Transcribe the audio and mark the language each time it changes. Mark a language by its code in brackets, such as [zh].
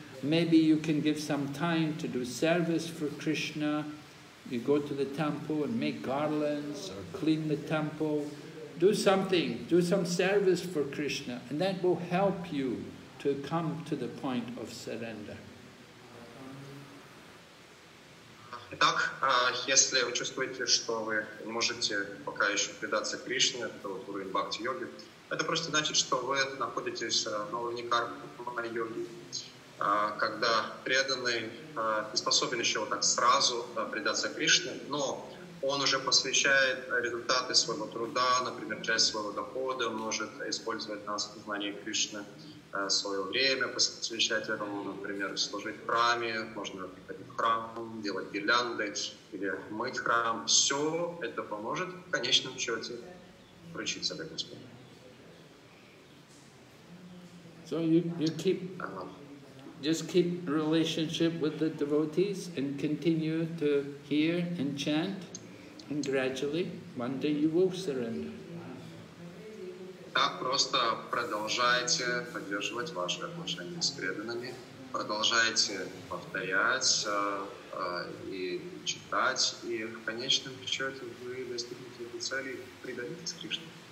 [en] Maybe you can give some time to do service for Krishna. You go to the temple and make garlands or clean the temple. Do something, do some service for Krishna, and that will help you to come to the point of surrender. [ru] Итак, если вы чувствуете, что вы не можете пока еще предаться Кришне, это вот уровень бхакти-йоги, это просто значит, что вы находитесь на уровне карма-йоги. Когда преданный не способен еще вот так сразу предаться Кришне, но он уже посвящает результаты своего труда, например, часть своего дохода, может использовать на осознание Кришны свое время, посвящать этому, например, служить в храме, можно приходить в храм, делать гирлянды или мыть храм. Все это поможет в конечном счете вручиться для Господа. [en] So you keep... Just keep relationship with the devotees and continue to hear and chant, and gradually, one day you will surrender. [ru] Так просто продолжайте поддерживать ваши отношения с преданными, продолжайте повторять и читать, и в конечном счете вы достигнете этой цели, предадитесь Кришне.